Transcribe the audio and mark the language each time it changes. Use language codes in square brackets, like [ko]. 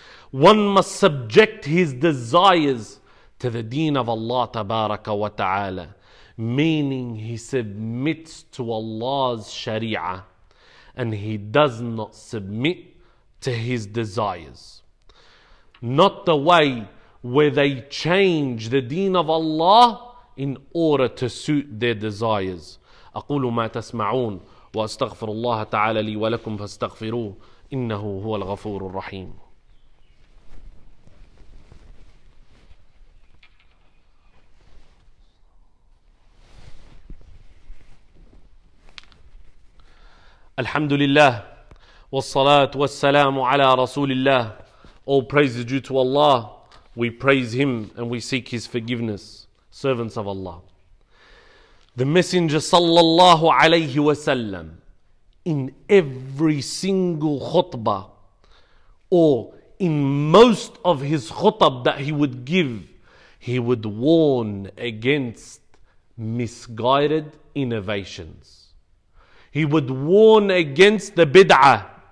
[en] One must subject his desires to the deen of Allah tabaraka wa ta'ala, meaning he submits to Allah's sharia and he does not submit to his desires. Not the way where they change the deen of Allah in order to suit their desires. [ar] أقول ما تسمعون وأستغفر الله تعالى لي ولكم فاستغفروه إنه هو الغفور الرحيم. الحمد لله والصلاة والسلام على رسول الله. [en] All praise is due to Allah. We praise Him and we seek His forgiveness. Servants of Allah. The Messenger sallallahu alayhi wa sallam, in every single khutbah, or in most of his khutab that he would give, he would warn against misguided innovations. He would warn against the bid'ah.